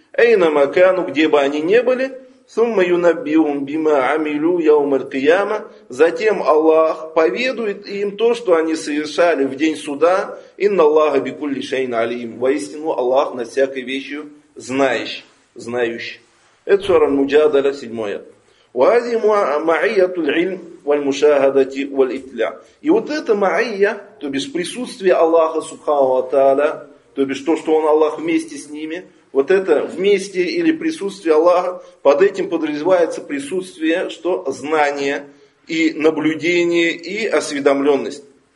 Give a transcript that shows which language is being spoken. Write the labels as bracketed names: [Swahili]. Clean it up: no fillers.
[Arabic] Эйна макану, [Russian] где бы они ни были, [Arabic] ثُمَّ يُنَبِّيُهُمْ بِمَا عَمِلُوا يَوْمَ الْقِيَامَةِ. [Russian] Затем Аллах поведует им то, что они совершали в день суда. [Arabic] إِنَّ اللَّهَ بِكُلِّ شَيْءٍ عَلِيمٌ. [Russian] Воистину Аллах над всякой вещью знающий. Это сура Муджадаля, 7. [Arabic] وهذه معية العلم والمشاهدة والإطلاع. [Russian] И вот эта маия, то бишь присутствие Аллаха Субхану ва Тааля, то бишь то, что он Аллах вместе с ними, вот это вместе или присутствие Аллаха, под этим подразумевается присутствие, что знание и наблюдение и осведомленность.